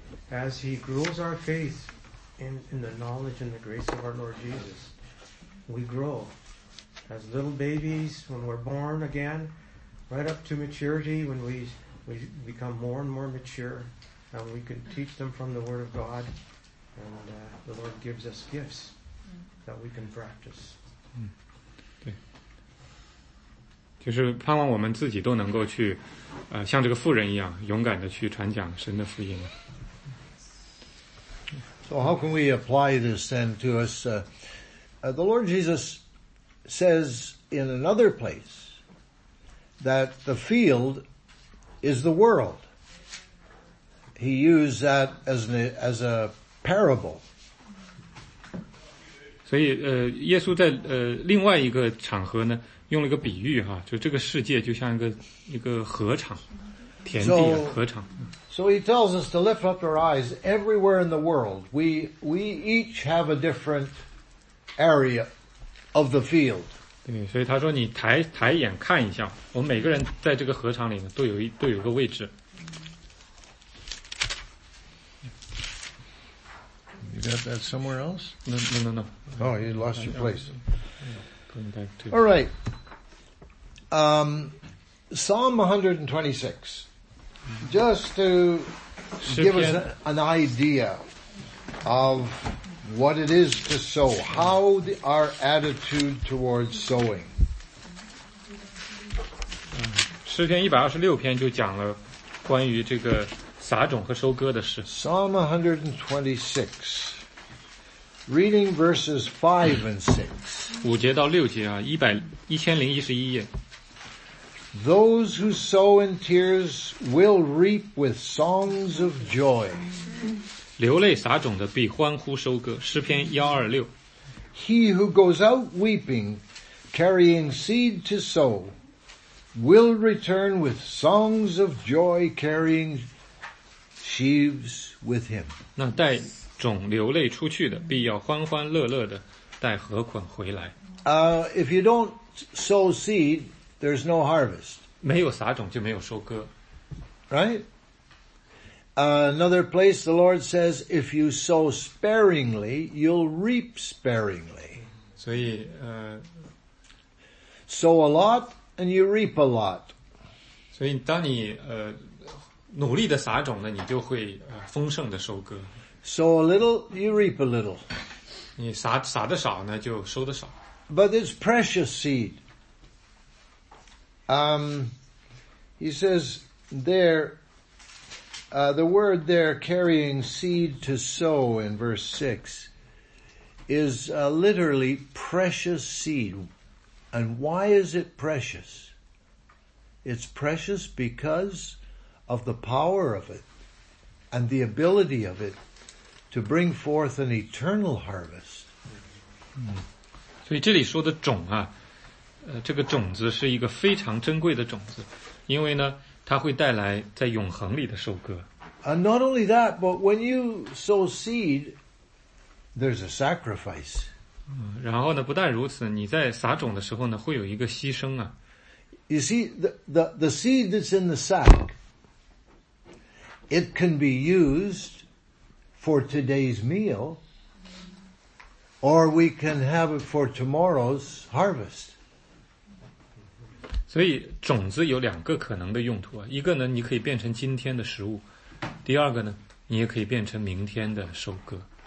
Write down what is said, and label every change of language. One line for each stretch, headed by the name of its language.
English: As He grows our faith in the knowledge and the grace of our Lord Jesus, we grow. As little babies, when we're born again, right up to maturity, when we become more and more mature,And we can teach them from the Word of God, and the Lord gives us gifts that we can practice.
Chinese: 对，就是盼望我们自己都能够去，像这个妇人一样，勇敢的去传讲神的福音。
English: So how can we apply this then to us? The Lord Jesus says in another place that the field is the world. He used that as a parable.
Chinese: 所以耶稣在另外一个场合呢用了一个比喻哈，就这个世界就像一个禾场，田地禾场。
English: So he tells us to lift up our eyes everywhere in the world. We each have a different area of the field.
Chinese: 对，所以他说你抬眼看一下，我们每个人在这个禾场里呢都有个位置。
English: You got that somewhere else? No. Oh, you lost your place. Going back to. All right. Psalm 126. Just to give us an idea of what it is to sow, how our attitude towards sowing.
Chinese: 诗篇126篇就讲了关于这个撒种和收割的事。
English: Psalm 126, reading verses 5 and 6.
Chinese: 五节到六节啊，1011页。
English: Those who sow in tears will reap with songs of joy.
Chinese: 流泪撒种的必欢呼收割，诗篇126。
English: He who goes out weeping, carrying seed to sow, will return with songs of joy, carrying sheaves with him.
Chinese: 那带种流泪出去的，必要欢欢乐乐的带禾捆回来。
English: If you don't sow seed, there's no harvest.
Chinese: 没有撒种就没有收割。
English: Right? Another place the Lord says, if you sow sparingly, you'll reap sparingly.
Chinese: 所以
English: sow a lot, and you reap a lot.
Chinese: 所以当你努力的撒种呢，你就会丰盛的收割。
English: Sow a little, you reap a little.
Chinese: 你撒的少呢，就收的少。
English: But it's precious seed. He says there, the word there, carrying seed to sow in verse 6, is literally precious seed. And why is it precious? It's precious because of the power of it and the ability of it to bring forth an eternal harvest.
Chinese: 所以这里说的种啊，这个种子是一个非常珍贵的种子，因为呢，它会带来在永恒里的收割。
English: And not only that, but when you sow seed, there's a sacrifice.
Chinese: 然后呢，不但如此，你在撒种的时候呢，会有一个牺牲啊。
English: You see, the seed that's in the sack, it can be used for today's meal, or we can have it for tomorrow's harvest.
Chinese: 所以种子有两个可能的用途啊，一个呢，你可以变成今天的食物；第二个呢，你也可以变成明天的收割。